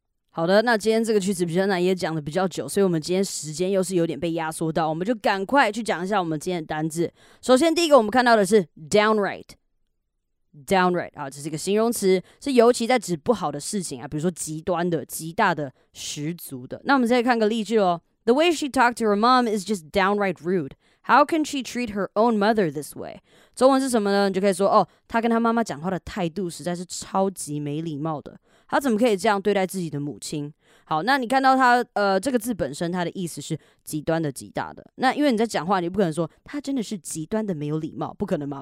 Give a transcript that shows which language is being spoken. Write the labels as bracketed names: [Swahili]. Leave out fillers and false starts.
[Chinese] 好的，那今天这个句子比较难，也讲的比较久，所以我们今天时间又是有点被压缩到，我们就赶快去讲一下我们今天的单字。首先第一个我们看到的是 downright 啊，这是一个形容词，是尤其在指不好的事情啊，比如说极端的、极大的、十足的。那我们再看个例句咯， [English] The way she talked to her mom is just downright rudeHow can she treat her own mother this way? [Chinese] 中文是什么呢？你就可以说，哦，她跟她妈妈讲话的态度实在是超级没礼貌的。她怎么可以这样对待自己的母亲？好，那你看到她，这个字本身，它的意思是极端的、极大的。那因为你在讲话，你不可能说她真的是极端的没有礼貌，不可能嘛？